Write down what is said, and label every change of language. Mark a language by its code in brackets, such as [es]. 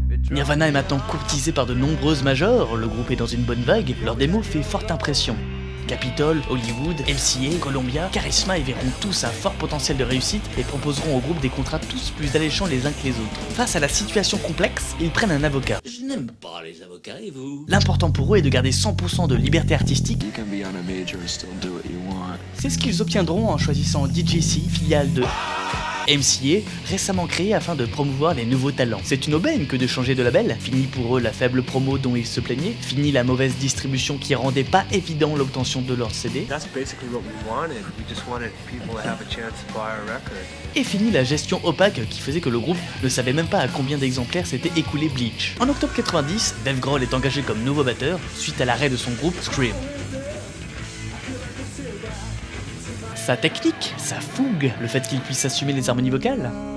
[fr] Nirvana est maintenant courtisé par de nombreuses majors, le groupe est dans une bonne vague, leur démo fait forte impression. Capitol, Hollywood, MCA, Columbia, Charisma y verront tous un fort potentiel de réussite et proposeront au groupe des contrats tous plus alléchants les uns que les autres. Face à la situation complexe, ils prennent un avocat. Je n'aime pas les avocats et vous ? L'important pour eux est de garder 100% de liberté artistique. [en] You can be on a major and still do what you want. [fr] C'est ce qu'ils obtiendront en choisissant DJC, filiale de... MCA, récemment créé afin de promouvoir les nouveaux talents. C'est une aubaine que de changer de label. Fini pour eux la faible promo dont ils se plaignaient. Fini la mauvaise distribution qui rendait pas évident l'obtention de leur CD. [en] That's basically what we wanted. We just wanted people to have a chance to buy our record. [fr] Et fini la gestion opaque qui faisait que le groupe ne savait même pas à combien d'exemplaires s'était écoulé Bleach. En octobre 90, Dave Grohl est engagé comme nouveau batteur suite à l'arrêt de son groupe Scream. Sa technique, sa fougue, le fait qu'il puisse assumer les harmonies vocales.